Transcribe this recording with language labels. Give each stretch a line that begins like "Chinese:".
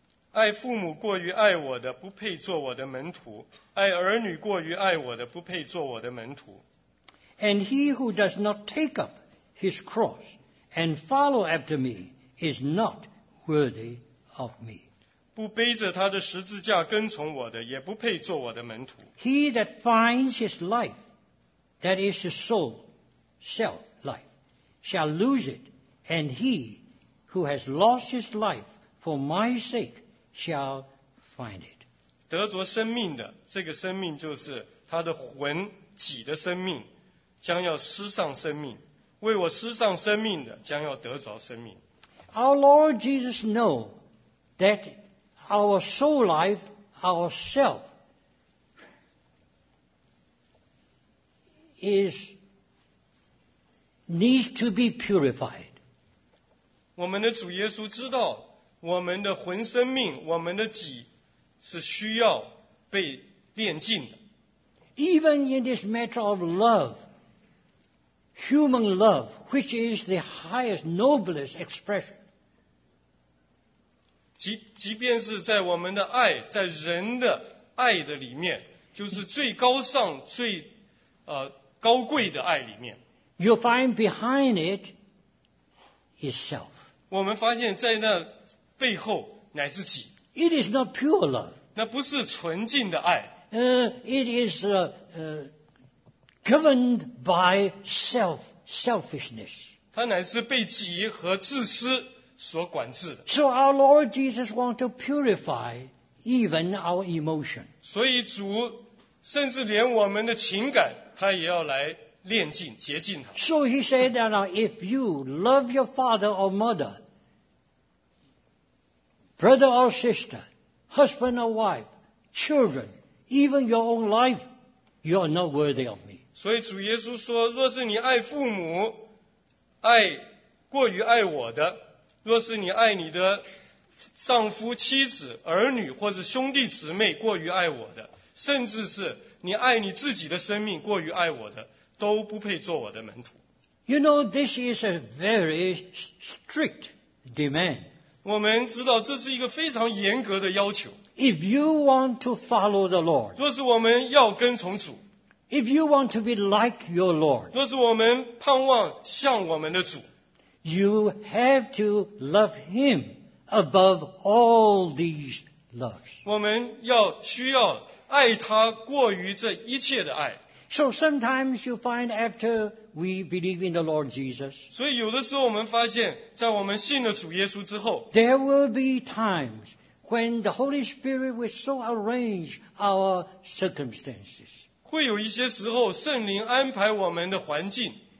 Chinese: 爱父母过于爱我的不配做我的门徒。爱儿女过于爱我的不配做我的门徒。
English: And he who does not take up his cross and follow after me is not worthy of me.
Chinese: 不背着他的十字架跟从我的，也不配做我的门徒。
English: He that finds his life, that is his soul, self life, shall lose it, and he who has lost his life for my sake shall find it.
Chinese: 得着生命的，这个生命就是他的魂己的生命，将要失丧生命。为我失丧生命的，将要得着生命。
English: Our Lord Jesus know that our soul life, our self, needs to be purified.
Chinese: 我们的主耶稣知道我们的魂生命，我们的己是需要被炼净的。
English: Even in this matter of love, human love, which is the highest, noblest expression.
Chinese: 即便是在我们的爱，在人的爱的里面，就是最高尚、最高贵的爱里面。
English: You find behind it is self.
Chinese: 我们发现在那背后乃是己。
English: It is not pure love.
Chinese: 那不是纯净的爱。
English: It is governed by selfishness.
Chinese: 它乃是被己和自私所管制的。
English: So our Lord Jesus wants to purify even our emotion.
Chinese: 所以主甚至连我们的情感，他也要来炼净、洁净它。
English: So he said that if you love your father or mother, brother or sister, husband or wife, children, even your own life, you are not worthy of me.
Chinese: 所以主耶稣说，若是你爱父母，爱过于爱我的，若是你爱你的丈夫、妻子、儿女或者兄弟姊妹过于爱我的，甚至是你爱你自己的生命过于爱我的，都不配做我的门徒。
English: You know, this is a very strict demand.
Chinese: 我们知道这是一个非常严格的要求。
English: If you want to follow the Lord,
Chinese: 若是我们要跟从主，
English: If you want to be like your Lord,
Chinese: 若是我们盼望像我们的主，
English: You have to love Him above all these loves.
Chinese: 我们要需要爱他过于这一切的爱。
English: So sometimes you find after we believe in the Lord Jesus,
Chinese: 所以有的时候我们发现在我们信了主耶稣之后，
English: There will be timesWhen the Holy Spirit will so arrange our circumstances.
Chinese: 会有一些时候圣灵安排我们的环境。